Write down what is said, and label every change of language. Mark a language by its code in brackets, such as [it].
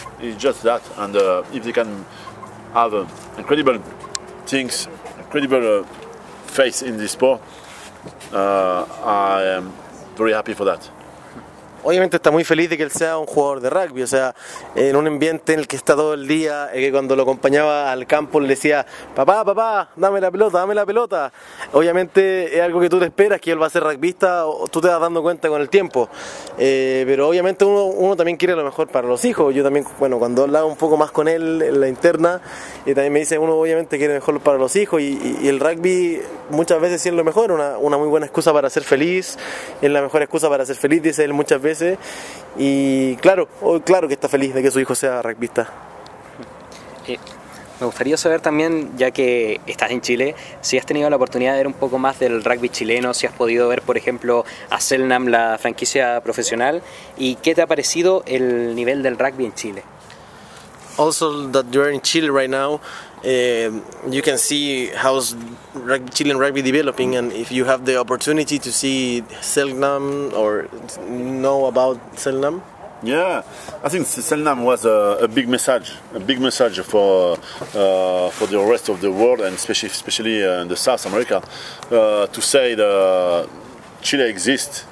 [en] It's just that, and if they can have incredible things, incredible faith in this sport, I am very happy for that. [es] Obviamente está muy feliz de que él sea un jugador de rugby, o sea, en un ambiente en el que está todo el día, que cuando lo acompañaba al campo le decía, papá, dame la pelota. Obviamente es algo que tú te esperas, que él va a ser rugbyista, tú te vas dando cuenta con el tiempo. Pero obviamente uno también quiere lo mejor para los hijos. Yo también, bueno, cuando hablaba un poco más con él en la interna, también me dice, uno obviamente quiere lo mejor para los hijos, y el rugby muchas veces sí es lo mejor, una muy buena excusa para ser feliz, es la mejor excusa para ser feliz, dice él muchas veces, y claro que está feliz de que su hijo sea rugbyista. Me gustaría saber también, ya que estás en Chile, si has tenido la oportunidad de ver un poco más del rugby chileno, si has podido ver, por ejemplo, a Selnam, la franquicia profesional, y qué te ha parecido el nivel del rugby en Chile. [en] Also, that you're in Chile right now, you can see how's Chilean rugby developing, and if you have the opportunity to see Selnam or know about Selnam. Yeah, I think Selnam was a big message for the rest of the world, and especially in the South America, to say that Chile exists.